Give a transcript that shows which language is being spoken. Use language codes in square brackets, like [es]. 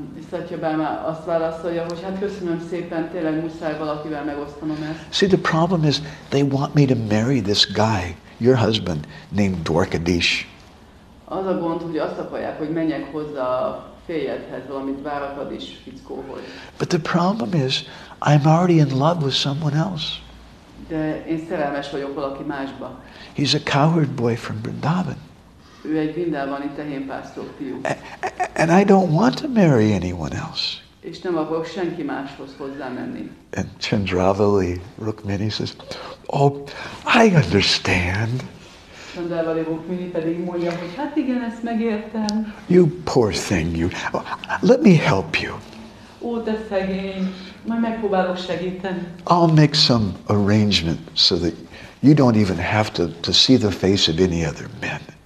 [hu] Satyabhama azt válaszolja, hogy hát köszönöm szépen, tényleg muszáj valakivel megosztanom ezt. [en] See, the problem is, they want me to marry this guy, your husband, named Dwarka. [hu] Az a gond, hogy azt akarják, hogy menjek hozzá a férjedhez, valamit Várakadis fickóhoz. [en] But the problem is, I'm already in love with someone else. [hu] De én szerelmes vagyok valaki másba. [en] He's a cowherd boy from Vrindavan. [hu] Ő egy vindában, itt a hénpásztor fiú. [en] And I don't want to marry anyone else. [hu] És nem akarok senki máshoz hozzámenni. [en] And Chandravali Rukmini says, oh, I understand. [hu] Chandravali Rukmini pedig mondja, hogy hát igen, ezt megértem. [en] You poor thing, you. Oh, let me help you. [hu] Ó, de szegény, majd megpróbálok segíteni. [en] I'll make some arrangement so that you don't even have to see the face of any other men.